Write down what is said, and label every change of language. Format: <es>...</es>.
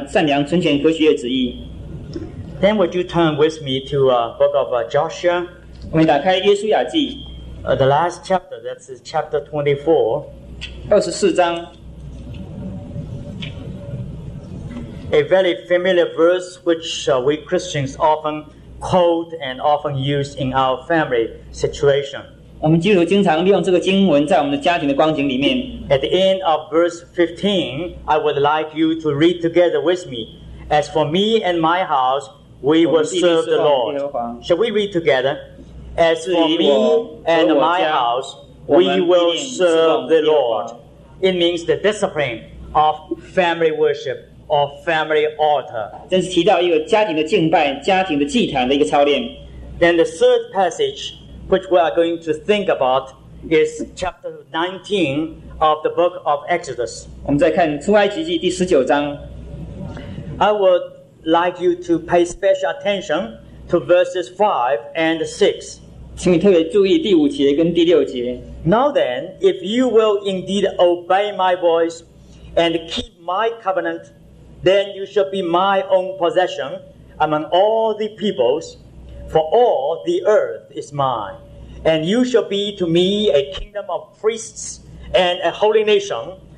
<zh>那特别强调是第一节那边提到的是我们所献上的活祭是一个圣洁的活祭。那第二节那边提到说，我们要心意更新而变化，查验何为神善良、纯全、可喜悦旨意。Then</zh> <en>would you turn with me to a book of Joshua?</en> <zh>我们打开耶稣雅记,</zh> <en>the last chapter, that's chapter 24.</en> <zh>24章。</zh> <en>A very familiar verse which we Christians often quote and often use in our family situation. At the end of verse 15, I would like you to read together with me. As for me and my house, we will serve the Lord. Shall we read together? As for me and my house, we will serve the Lord. It means the discipline of family worship. Or family altar.</en> <zh>这是提到一个家庭的敬拜，家庭的祭坛的一个操练。</zh> <en>Then the third passage which we are going to think about is chapter 19 of the book of Exodus.</en> <zh>我们再看出埃及记第十九章。</zh> <en>I would like you to pay special attention to verses 5 and 6.</en> <zh>请你特别注意第五节跟第六节。</zh> <en>Now then, if you will indeed obey my voice and keep my covenant, then you shall be my own possession among all the peoples, for all the earth is mine. And you shall be to me a kingdom of priests and a holy nation.</en>